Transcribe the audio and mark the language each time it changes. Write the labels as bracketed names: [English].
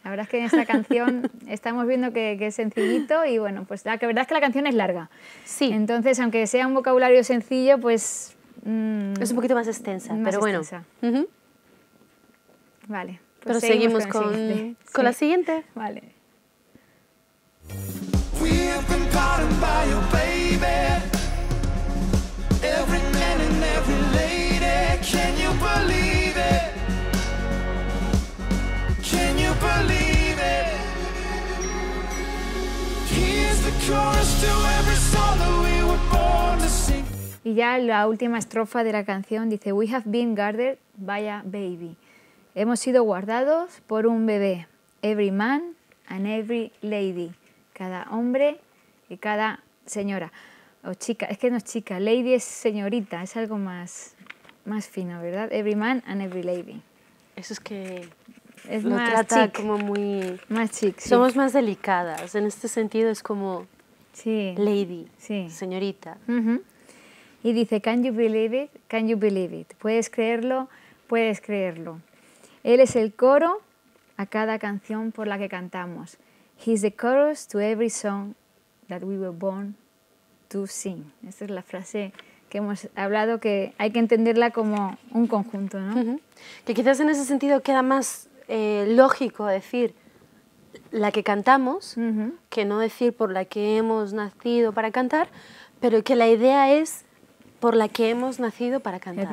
[Spanish] La verdad es que en esta canción estamos viendo que es sencillito y bueno, pues la verdad es que la canción es larga. Sí. Entonces, aunque sea un vocabulario sencillo, pues... es un poquito más extensa, Bueno. Vale. Pero seguimos con la siguiente. Vale. [English] We've been caught by your baby. Every man and every lady, can you believe it? Can you believe it? Here's the chorus to every song that we were born to sing. [Spanish] Y ya la última estrofa de la canción dice: [English] We have been guarded by a baby. [Spanish] Hemos sido guardados por un bebé, [English] every man and every lady, [Spanish] cada hombre y cada señora, o chica, es que no es chica, lady es señorita, es algo más fino, ¿verdad? [English] Every man and every lady. [Spanish] Eso es que es lo más trata chic. Como muy... Más chic, sí. Somos más delicadas, en este sentido es como sí. [English] Lady, [Spanish] sí. Señorita. Y dice, [English] can you believe it, [Spanish] can you believe it, puedes creerlo, puedes creerlo. Él es el coro a cada canción por la que cantamos. [English] He's the chorus to every song that we were born to sing. [Spanish] Esta es la frase que hemos hablado, que hay que entenderla como un conjunto, ¿no? Que quizás en ese sentido queda más lógico decir la que cantamos, que no decir por la que hemos nacido para cantar, pero que la idea es por la que hemos nacido para cantar.